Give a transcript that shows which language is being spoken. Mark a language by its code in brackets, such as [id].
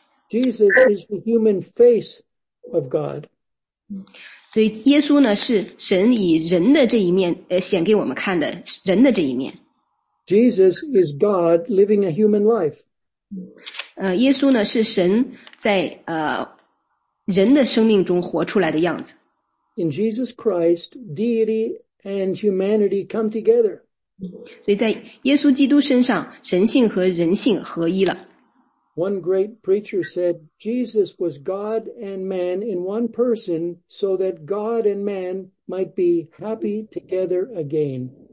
[en] Jesus is the human face of God. [zh] 所以耶稣呢是神以人的这一面显给我们看的人的这一面。 [en] Jesus is God living a human life. [zh] 耶稣呢是神在人的生命中活出来的样子。 [en] In Jesus Christ, deity and humanity come together. [zh] 所以在耶稣基督身上，神性和人性合一了。 [en] One great preacher said, Jesus was God and man in one person so that God and man might be happy together again.